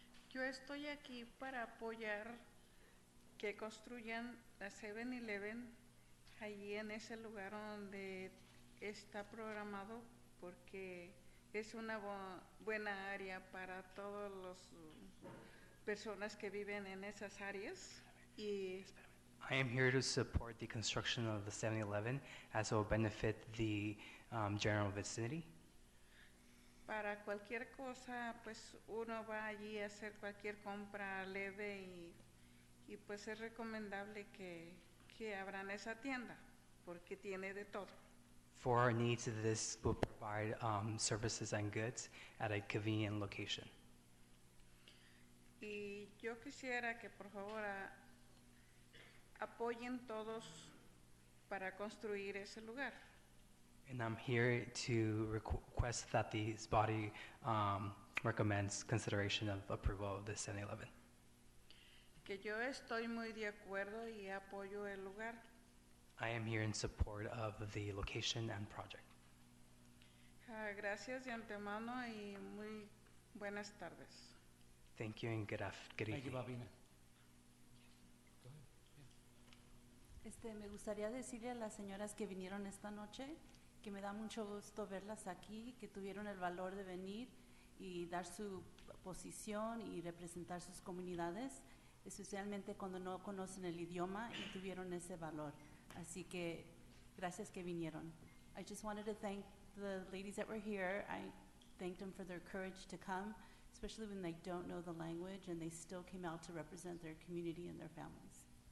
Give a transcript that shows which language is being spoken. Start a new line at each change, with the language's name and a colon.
Spanish: Yo estoy aquí para apoyar que construyan la 7-Eleven allí en ese lugar donde está programado porque es una buena área para todas las personas que viven en esas áreas y...
English: I am here to support the construction of the 7-Eleven as it will benefit the general vicinity.
Spanish: Para cualquier cosa, pues uno va allí a hacer cualquier compra leve y pues es recomendable que abran esa tienda porque tiene de todo.
English: For our needs, this will provide services and goods at a convenient location.
Spanish: Y yo quisiera que por favor apoyen todos para construir ese lugar.
English: And I'm here to request that this body recommends consideration of approval of the 7-Eleven.
Spanish: Que yo estoy muy de acuerdo y apoyo el lugar.
English: I am here in support of the location and project.
Spanish: Gracias de antemano y muy buenas tardes.
English: Thank you and good evening. Thank you, Babina.
Spanish: Me gustaría decirle a las señoras que vinieron esta noche que me da mucho gusto verlas aquí, que tuvieron el valor de venir y dar su posición y representar sus comunidades, especialmente cuando no conocen el idioma y tuvieron ese valor. Así que gracias que vinieron.
English: I just wanted to thank the ladies that were here. I thanked them for their courage to come, especially when they don't know the language and they still came out to represent their community and their families.